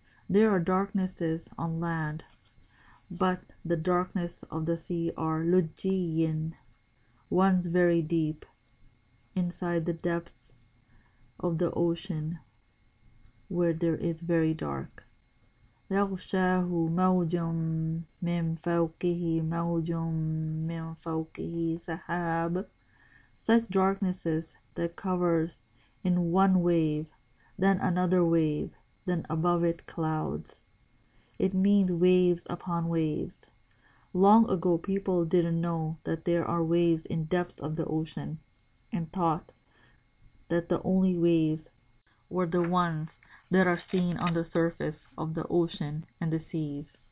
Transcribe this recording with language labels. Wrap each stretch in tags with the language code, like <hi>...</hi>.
<en>There are darknesses on land, but the darkness of the sea are لجيين, ones very deep, inside the depths of the ocean, where there is very dark.</en> <ar>يغشاه موج من فوقه موج من فوقه سحاب.</ar> <en>Such darknesses that covers in one wave, then another wave, then above it clouds. It means waves upon waves. Long ago, people didn't know that there are waves in depths of the ocean and thought that the only waves were the ones that are seen on the surface of the ocean and the seas.</en>